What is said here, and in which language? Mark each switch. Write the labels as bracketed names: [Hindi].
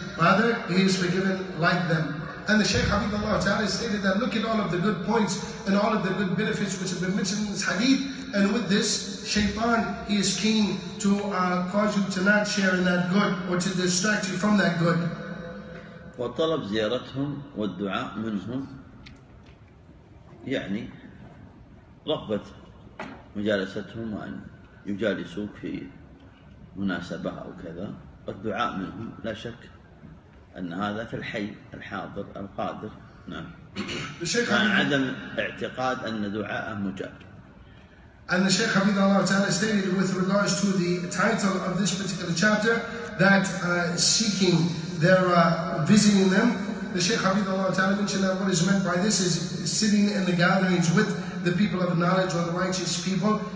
[English] Rather, he is forgiven like them. And the Shaykh Hafidhullah Ta'ala stated that look at all of the good points and all of the good benefits which have been mentioned in this hadith. And with this, Shaytan, he is keen to cause you to not share in that good or to distract you from that good. [Arabic] وطلب زيارتهم والدعاء منهم يعني رغبة مجالستهم وأن يجالسوك في مناسبة أو كذا، والدعاء منهم لا شك أن هذا في الحي الحاضر القادر. نعم. الشيخ عدم اعتقاد أن دعاء مجاب. [English] And the Shaykh Hafidhullah Ta'ala stated with regards to the title of this particular chapter that seeking their visiting them, the Shaykh Hafidhullah Ta'ala mentioned that what is meant by this is sitting in the gatherings with the people of knowledge or the righteous people.